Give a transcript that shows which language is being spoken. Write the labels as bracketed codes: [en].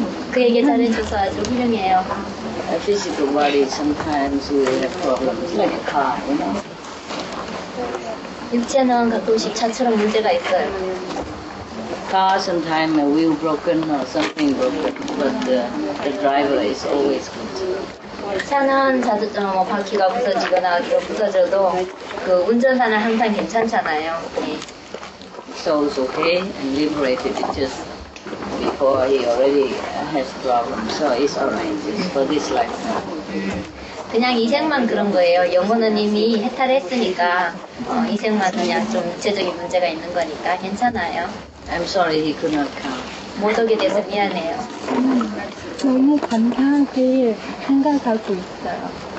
[ko] 그 얘기 잘해줘서 아주 훌륭해요. [en] A physical worry sometimes we have problems like a car, you know? [ko] 육체는 가끔씩 차처럼 문제가 있어요. [en] Car sometimes a wheel broken or something broken, but the driver is always good. [ko] 차는 자주 좀 뭐 바퀴가 부서지거나 부서져도 그 운전사는 항상 괜찮잖아요. [en] So it's okay and liberated just before he already has problem. So it's alright just for this life. [ko] 그냥 이생만 그런 거예요. 영혼은 이미 해탈했으니까 이생만 그냥 좀 육체적인 문제가 있는 거니까 괜찮아요. [en] I'm sorry he could not come. [ko] 못 오게 돼서 미안해요. 너무 감사하게 생각하고 있어요.